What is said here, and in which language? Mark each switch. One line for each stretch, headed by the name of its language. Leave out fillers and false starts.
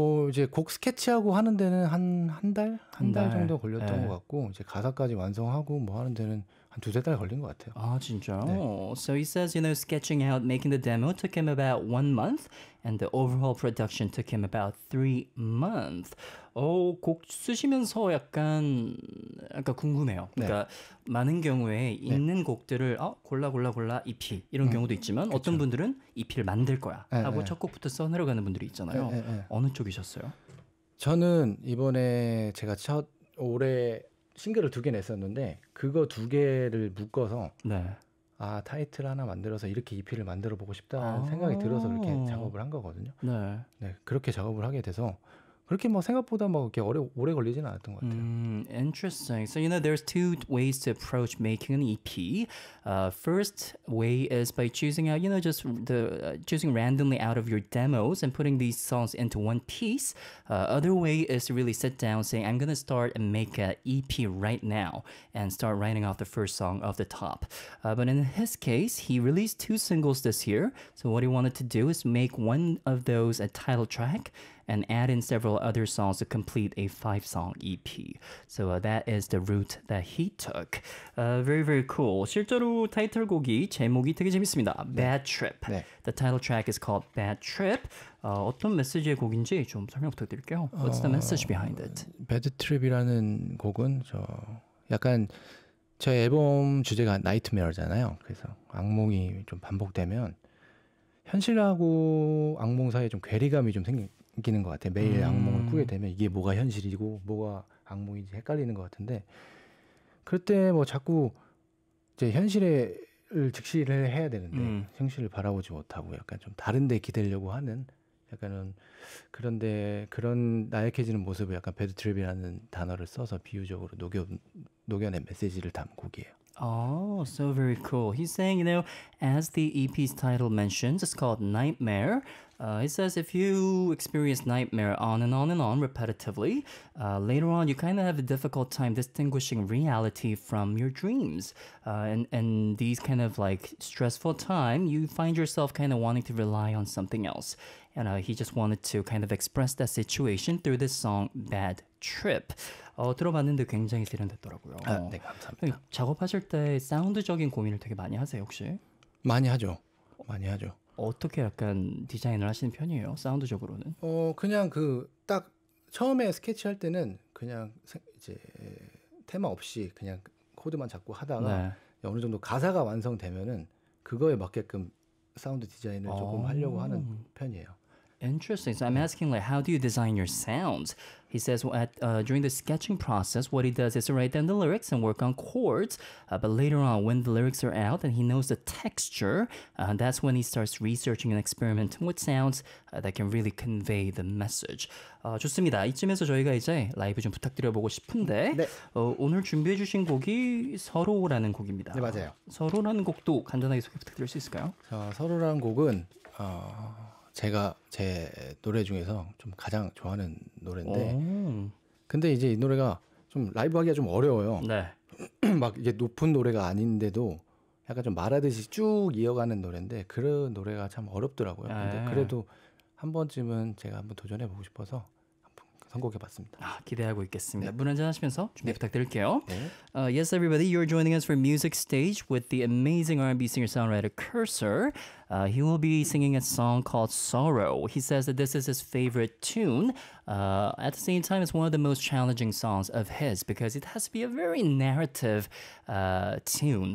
Korean: 이제 곡 스케치하고 하는 데는 한 달 정도 걸렸던 것 같고, 이제 가사까지 완성하고 뭐 하는 데는 한 두세 달 걸린 것 같아요. 아, 진짜요? 네.
English: So he says, you know, sketching out, making the demo took him about 1 month, and the overall production took him about 3 months.
Korean: 곡 쓰시면서 약간 궁금해요. 네. 그러니까 많은 경우에 있는 네. 곡들을 골라 EP 이런 경우도 있지만 그쵸. 어떤 분들은 EP를 만들 거야 하고 첫 곡부터 써내려가는 분들이 있잖아요. 어느 쪽이셨어요? 저는 이번에 제가 올해 싱글을 두 개 냈었는데 그거 두 개를 묶어서 네. 아 타이틀 하나 만들어서 이렇게 EP를 만들어 보고 싶다는 생각이 들어서 이렇게 작업을 한 거거든요. 네. 네, 그렇게 작업을 하게 돼서 그렇게 뭐 생각보다 막 이렇게 오래 걸리지는 않았던 것 같아요.
English: Interesting. So you know, there's two ways to approach making an EP. First way is by choosing out, you know, just the choosing randomly out of your demos and putting these songs into one piece. Other way is to really sit down, saying, I'm gonna start and make an EP right now and start writing off the first song off the top. But in his case, he released two singles this year. So what he wanted to do is make one of those a title track. And add in several other songs to complete a five-song EP. So that is the route that he took. Very, very cool.
Korean: 실제로 타이틀곡이 제목이 되게 재밌습니다. 네. Bad Trip. 네.
English: The title track is called Bad Trip.
Korean: 어떤 메시지의 곡인지 좀 설명 부탁드릴게요.
English: What's the message behind it?
Korean: Bad Trip이라는 곡은 약간 저희 앨범 주제가 Nightmare잖아요. 그래서 악몽이 좀 반복되면 현실하고 악몽 사이에 좀 괴리감이 좀 생깁니다. 느끼는 것 같아요. 매일 악몽을 꾸게 되면 이게 뭐가 현실이고 뭐가 악몽인지 헷갈리는 것 같은데 그럴 때 뭐 자꾸 이제 현실을 직시를 해야 되는데 현실을 바라보지 못하고 약간 좀 다른 데 기대려고 하는 약간은 그런데 그런 나약해지는 모습을 약간 배드 트립이라는 단어를 써서 비유적으로 녹여낸 메시지를 담은 곡이에요.
English: Oh, so very cool. He's saying, you know, as the EP's title mentions, it's called Nightmare. He says, if you experience nightmare on and on and on repetitively, later on, you kind of have a difficult time distinguishing reality from your dreams. And these kind of like stressful time, you find yourself kind of wanting to rely on something else. And he just wanted to kind of express that situation through this song, Bad Trip.
Korean: 들어봤는데 굉장히 세련됐더라고요. 아, 네, 감사합니다. 작업하실 때 사운드적인 고민을 되게 많이 하세요, 혹시? 많이 하죠. 어떻게 약간 디자인을 하시는 편이에요, 사운드적으로는? 그냥 그 딱 처음에 스케치할 때는 그냥 이제 테마 없이 그냥 코드만 잡고 하다가 네. 어느 정도 가사가 완성되면은 그거에 맞게끔 사운드 디자인을 조금 하려고 하는 편이에요.
English: Interesting. So I'm asking, like, how do you design your sounds? He says, well, during the sketching process, what he does is to write down the lyrics and work on chords. But later on, when the lyrics are out and he knows the texture, that's when he starts researching and experimenting with sounds that can really convey the message.
Korean: 좋습니다. 이쯤에서 저희가 이제 라이브 좀 부탁드려보고 싶은데 네. 오늘 준비해 주신 곡이 서로라는 곡입니다. 네, 맞아요. 서로라는 곡도 간단하게 소개 부탁드릴 수 있을까요? 서로라는 곡은... 제가 제 노래 중에서 좀 가장 좋아하는 노래인데 근데 이제 이 노래가 좀 라이브 하기가 좀 어려워요. 네. 막 이게 높은 노래가 아닌데도 약간 좀 말하듯이 쭉 이어가는 노래인데 그런 노래가 참 어렵더라고요. 에이. 근데 그래도 한 번쯤은 제가 한번 도전해 보고 싶어서 선곡해봤습니다. 기대하고 있겠습니다. 네. 물 한잔 하시면서 준비 네. 부탁드릴게요. 네.
English: Yes, everybody, you're joining us for Music Stage with the amazing R&B singer-songwriter Cursor. He will be singing a song called Sorrow. He says that this is his favorite tune. At the same time, it's one of the most challenging songs of his because it has to be a very narrative tune.